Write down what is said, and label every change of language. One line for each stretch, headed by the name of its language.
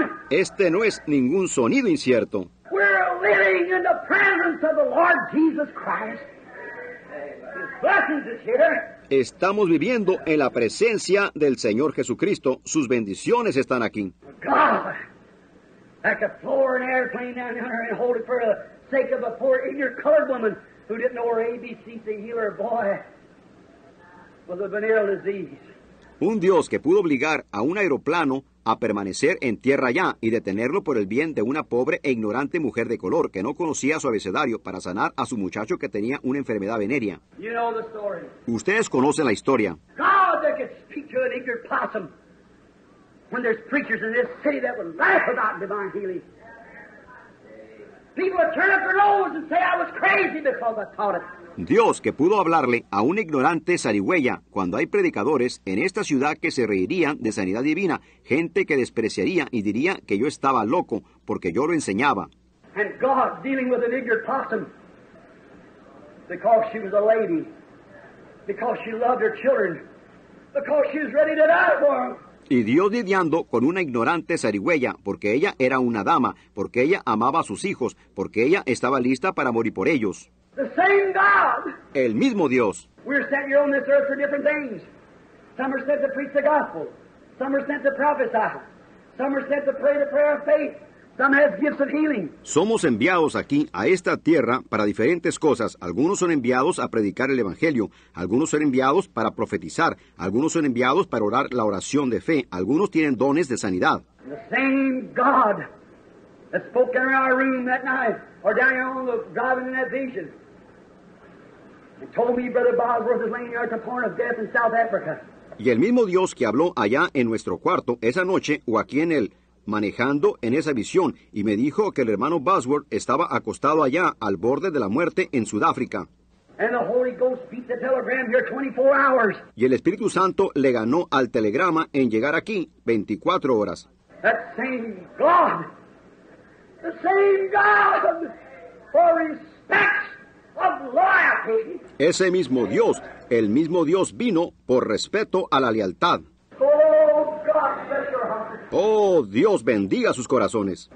Spanish: Este no es ningún sonido incierto.
English: We're living in the presence of the Lord Jesus Christ. His blessings is here.
Spanish: Estamos viviendo en la presencia del Señor Jesucristo. Sus bendiciones están aquí.
English: God, I could floor an airplane down here and hold it for the sake of a poor ignorant colored woman who didn't know her ABCs to heal her boy with a venereal disease.
Spanish: Un Dios que pudo obligar a un aeroplano a permanecer en tierra ya y detenerlo por el bien de una pobre e ignorante mujer de color que no conocía su abecedario para sanar a su muchacho que tenía una enfermedad venérea.
English: You know the story.
Spanish: Ustedes conocen la historia.
English: God, they could speak to an ignorant possum when there's preachers in this city that would laugh about divine healing. People would turn up their nose and say I was crazy because I taught it.
Spanish: Dios que pudo hablarle a un ignorante zarigüeya cuando hay predicadores en esta ciudad que se reirían de sanidad divina, gente que despreciaría y diría que yo estaba loco porque yo lo enseñaba.
English: And God dealing with an ignorant possum because she was a lady, because she loved her children, because she was ready to die for them.
Spanish: Y Dios lidiando con una ignorante zarigüeya, porque ella era una dama, porque ella amaba a sus hijos, porque ella estaba lista para morir por ellos.
English: The same God.
Spanish: El mismo Dios.
English: We're sent here on this earth for different things. Some are sent to preach the gospel. Some are sent to prophesy. Some are sent to pray the prayer of faith. Some have gifts of healing.
Spanish: Somos enviados aquí a esta tierra para diferentes cosas. Algunos son enviados a predicar el evangelio. Algunos son enviados para profetizar. Algunos son enviados para orar la oración de fe. Algunos tienen dones de sanidad.
English: The same God that spoke in our room that night, or down here on the driving in that vision, and told me Brother Bosworth is laying at the point of death in South Africa.
Spanish: Y el mismo Dios que habló allá en nuestro cuarto esa noche o aquí en el manejando en esa visión, y me dijo que el hermano Bosworth estaba acostado allá al borde de la muerte en Sudáfrica.
English: And the Holy Ghost beat the telegram here 24 hours.
Spanish: Y el Espíritu Santo le ganó al telegrama en llegar aquí 24 horas.
English: That same God, the same God, for respect of loyalty.
Spanish: Ese mismo Dios, el mismo Dios vino por respeto a la lealtad.
English: Oh, God, bless your heart.
Spanish: Oh, Dios bendiga sus corazones.